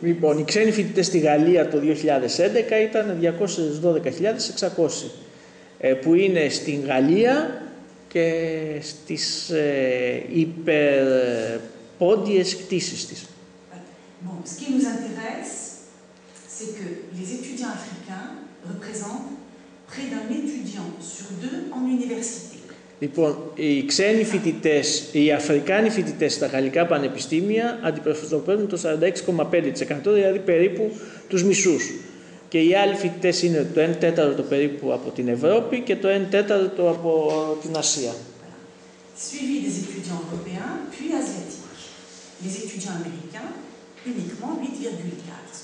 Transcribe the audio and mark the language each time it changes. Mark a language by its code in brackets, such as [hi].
[el] Λοιπόν, οι ξένοι φοιτητές στη Γαλλία το 2011 ήταν 212.600, που είναι στην Γαλλία και στις υπερπόντιες κτίσεις της. [fr] Bon, ce qui nous intéresse, c'est que les étudiants africains représentent près d'un étudiant sur deux en université. [el] Λοιπόν, οι ξένοι φοιτητές, οι αφρικάνοι φοιτητές στα γαλλικά πανεπιστήμια αντιπροσωπεύουν το 46,5%, δηλαδή περίπου τους μισούς. Και οι άλλοι φοιτητές είναι το 1 τέταρτο περίπου από την Ευρώπη και το 1 τέταρτο από την Ασία. [fr] Suivi des étudiants européens, puis asiatiques. Les étudiants américains, uniquement 8,4%.